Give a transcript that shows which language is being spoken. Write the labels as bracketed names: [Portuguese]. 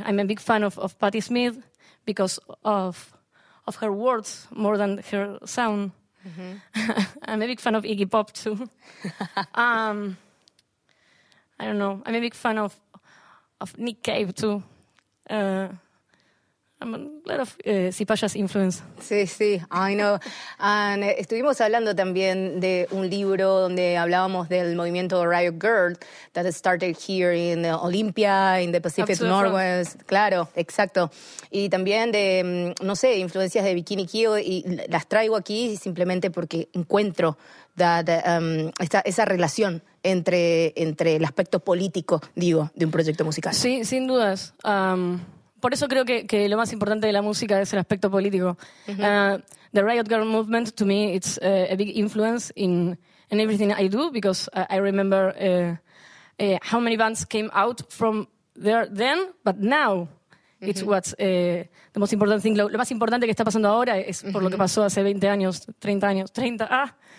[English] I'm a big fan of Patti Smith because of her words more than her sound. Mm-hmm. I'm a big fan of Iggy Pop too. I don't know. I'm a big fan of Nick Cave too. I'm a lot of Sipasha's influence. [Spanish] Sí, sí, [English] I know. [Spanish] And estuvimos hablando también de un libro donde hablábamos del movimiento Riot Girl [English] that started here in Olympia, in the Pacific Northwest. [Spanish] Claro, exacto. Y también de, no sé, influencias de Bikini Kill. Y las traigo aquí simplemente porque encuentro esa relación entre el aspecto político, digo, de un proyecto musical. Sí, sin dudas. Por eso creo que lo más importante de la música es el aspecto político. Mm-hmm. [English] The Riot Girl movement, to me, it's a big influence in everything I do because I remember how many bands came out from there then, but now mm-hmm. it's what's the most important thing. [Spanish] Lo más importante que está pasando ahora es mm-hmm. por lo que pasó hace 20 años, 30 años, 30, ah.